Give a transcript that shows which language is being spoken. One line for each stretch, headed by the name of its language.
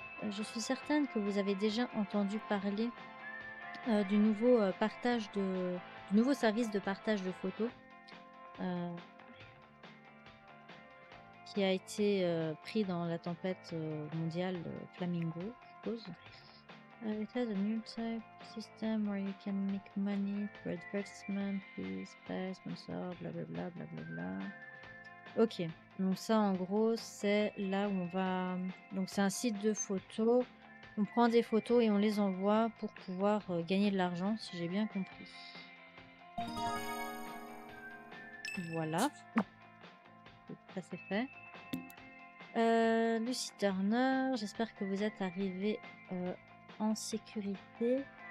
French: Je suis certaine que vous avez déjà entendu parler du nouveau partage du nouveau service de partage de photos. Qui a été pris dans la tempête mondiale Flamingo, je suppose.
English: It has a new type system where you can make money for advertisement, fees, pay, sponsor, blablabla, blablabla.
French: Ok, donc ça en gros, c'est là où on va... Donc c'est un site de photos, on prend des photos et on les envoie pour pouvoir gagner de l'argent, si j'ai bien compris. Voilà. Ça c'est fait. Lucy Turner, j'espère que vous êtes arrivée en sécurité.